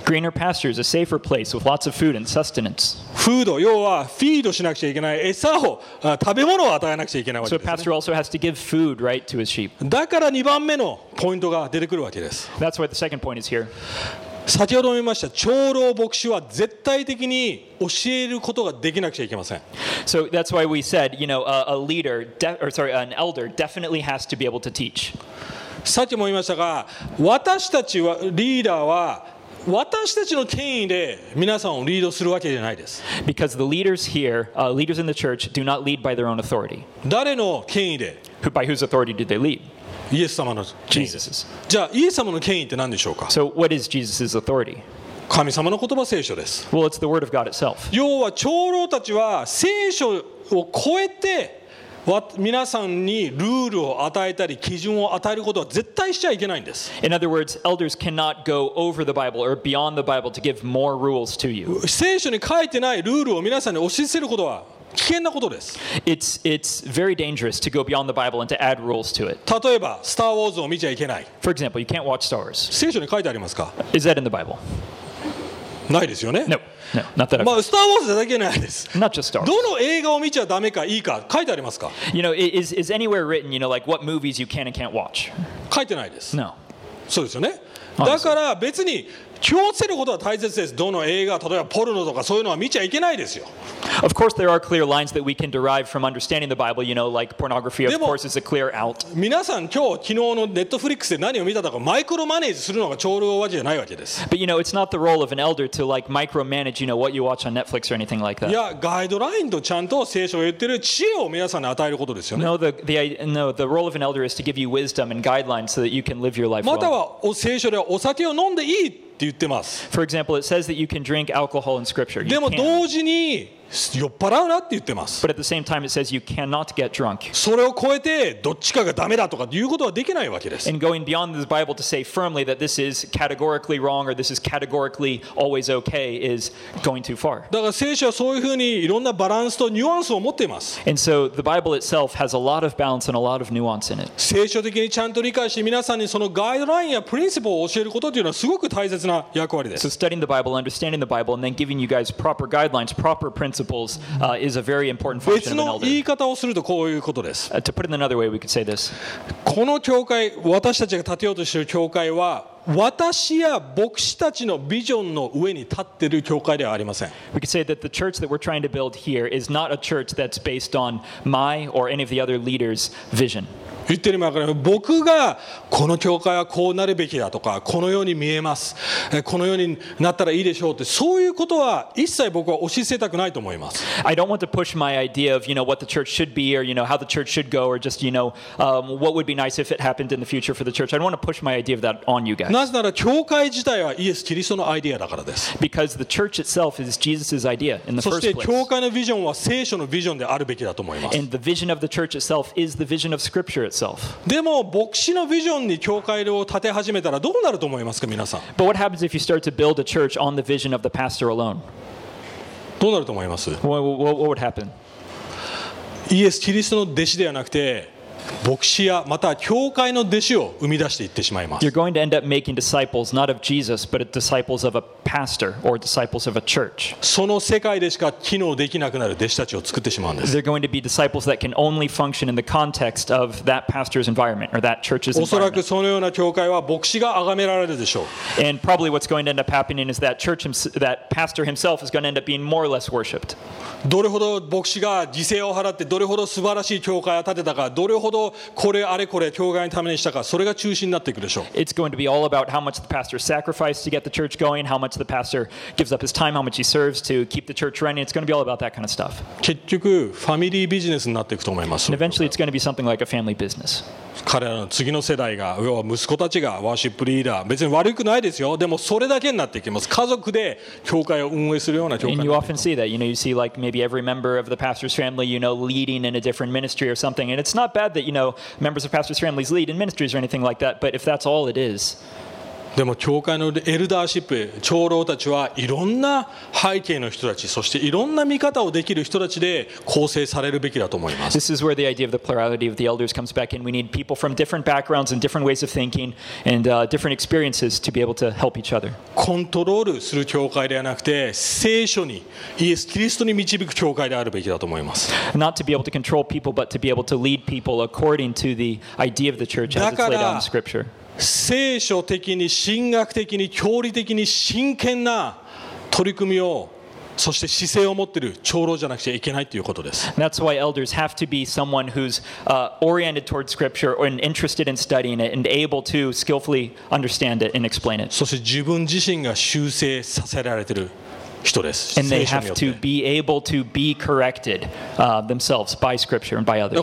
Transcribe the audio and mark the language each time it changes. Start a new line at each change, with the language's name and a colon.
English: Greener pastures, a safer place with lots of food and sustenance.
Japanese: フード、要はフィードしなくちゃいけない餌を、食べ物を与えなくちゃいけないわけですね。
English: So a pastor also has to give food right to his sheep.
Japanese: だから2番目のポイントが出てくるわけです。
English: That's why the second point is here.
Japanese: 先ほども言いました、長老牧師は絶対的に教えることができなくちゃいけません。
English: So that's why we said, you know, a leader, an elder definitely has to be able to teach.
Japanese: さっきも言いましたが、私たちはリーダーは私たちの権威で皆さんをリードするわけじゃないです。
English: Because the leaders here, leaders in the church do not lead by their own authority.
Japanese: 誰の権威で？
English: By whose authority do they lead?
Japanese: イエス様の
English: Jesus.
Japanese: じゃあイエス様の権威って何でしょうか？
English: So what is Jesus' authority?
Japanese: 神様の言葉、聖書です。
English: Well, it's the word of God itself.
Japanese: 要は長老たちは聖書を超えて皆さんにルールを与えたり基準を与えることは絶対しちゃいけないんです。
English: In other words, elders cannot go over the Bible or beyond the Bible to give more rules to you.
Japanese: 聖書に書いてないルールを皆さんに押し付けることは危険なことです。
English: It's very dangerous to go beyond the Bible and to add rules to it.
Japanese: 例えば、スター・ウォーズを見ちゃいけない。
English: For example, you can't watch Star Wars.
Japanese: 聖書に書いてありますか？
English: Is that in the Bible?
Japanese: ないですよね。
English: No, not that I've heard.
Japanese: まあ、スター・ウォーズだけないです。
English: Not just Star Wars.
Japanese: どの映画を見ちゃダメかいいか書いてありますか？
English: You know, is anywhere written, you know, like what movies you can and can't watch?
Japanese: 書いてないです。
English: No.
Japanese: そうですよね。だから別に気をつけることは大切です。どの映画、例えばポルノとかそういうのは見ちゃいけないですよ。
English: Of course, there are clear lines that we can derive from understanding the Bible. You know, like pornography, of course, is a clear out.
Japanese: 皆さん今日昨日のネットフリックスで何を見たとかマイクロマネージするのが長老わけじゃないわけです。
English: But you know, it's not the role of an elder to like micromanage, you know, what you watch on Netflix or anything like that.
Japanese: いや、ガイドラインとちゃんと聖書を言ってる知恵を皆さんに与えることですよね。
English: No, the role of an elder is to give you wisdom and guidelines so that you can live your life well.
Japanese: または聖書ではお酒を飲んでいい。言ってます。
English: For example, it says that you can drink alcohol in scripture.
Japanese: でも同時に酔っ払うなって言ってます。
English: But at the same time, it says you cannot get drunk.
Japanese: それを超えてどっちかがダメだとかいうことはできないわけです。
English: And going beyond the Bible to say firmly that this is categorically wrong or this is categorically always okay is going too far.
Japanese: だから聖書はそういうふうにいろんなバランスとニュアンスを持っています。
English: And so the Bible itself has a lot of balance and a lot of nuance in it.
Japanese: 聖書的にちゃんと理解して皆さんにそのガイドラインやプリンシプルを教えることというのはすごく大切な役割です。
English: So studying the Bible, understanding the Bible, and then giving you guys proper guidelines, proper principlesis a very important function of an elder.
Japanese: 別の言い方をするとこういうことです。
English: To put it in another way, we could say this.
Japanese: この教会、私たちが建てようとしている教会は、私や牧師たちのビジョンの上に立っている教会ではありません。
English: We could say that the church that we're trying to build here is not a church that's based on my or any of the other leaders' vision.
Japanese: 言ってるもわからない。僕がこの教会はこうなるべきだとか、このように見えます。このようになったらいいでしょうって、そういうことは一切僕は押し付けたくないと思います。
English: I don't want to push my idea of, you know, what the church should be or, you know, how the church should go or just, you know, what would be nice if it happened in the future for the church. I don't want to push my idea of that on you guys.
Japanese: なぜなら教会自体はイエス・キリストのアイデアだからです。
English: Because the church itself is Jesus' idea in the first place.
Japanese: そして教会のビジョンは聖書のビジョンであるべきだと思います。
English: And the vision of the church itself is the vision of Scripture.
Japanese: でも牧師のビジョンに教会を建て始めたらどうなると思いますか皆さん。
English: But what happens if you start to build a church on the vision of the pastor alone?
Japanese: どうなると思います
English: ? What would happen?
Japanese: イエス・キリストの弟子ではなくて牧師やまた教会の弟子を生み出していってしまいます。
English: You're going to end up making disciples not of Jesus, but disciples of a pastor or disciples of a church.
Japanese: その世界でしか機能できなくなる弟子たちを作ってしまうんです。
English: They're going to be disciples that can only function in the context of that pastor's environment or that church's environment.
Japanese: おそらくそのような教会は牧師が崇められるでしょう。
English: And probably what's going to end up happening is that church, that pastor himself is going to end up being more or less worshipped.
Japanese: どれほど牧師が犠牲を払ってどれほど素晴らしい教会を建てたか、どれほどこれあれこれ教会のためにしたか、それが中心になっていくでしょう。
English: It's going to be all about how much the pastor sacrificed to get the church going, how much the pastor gives up his time, how much he serves to keep the church running. It's going to be all about that kind of stuff.
Japanese: 結局ファミリービジネスになっていくと思います。
English: And eventually it's going to be something like a family business.
Japanese: 彼らの次の世代が、要は息子たちがワーシップリーダー、別に悪くないですよ。でもそれだけになっていきます。家族で教会を運営するような教会。
English: And you often see that, you know, you see like maybe every member of the pastor's family, you know, leading in a different ministry or something. And it's not bad that, you know, members of pastor's families lead in ministries or anything like that, but if that's all it is.
Japanese: でも教会のエルダーシップ、長老たちはいろんな背景の人たち、そしていろんな見方をできる人たちで構成されるべきだと思います。
English: This is where the idea of the plurality of the elders comes back in. We need people from different backgrounds and different ways of thinking and different experiences to be able to help each other.
Japanese: コントロールする教会ではなくて、聖書に、イエス・キリストに導く教会であるべきだと思います。
English: Not to be able to control people, but to be able to lead people according to the idea of the church as it's laid out in Scripture.
Japanese: 聖書的に神学的に教理的に真剣な取り組みをそして姿勢を持っている長老じゃなくちゃいけないということです。
English: That's why elders have to be someone who's oriented towards scripture and interested in studying it and able to skillfully understand it and explain it.
Japanese: そして自分自身が修正させられている人です。
English: And they have to be able to be corrected themselves by scripture and by others.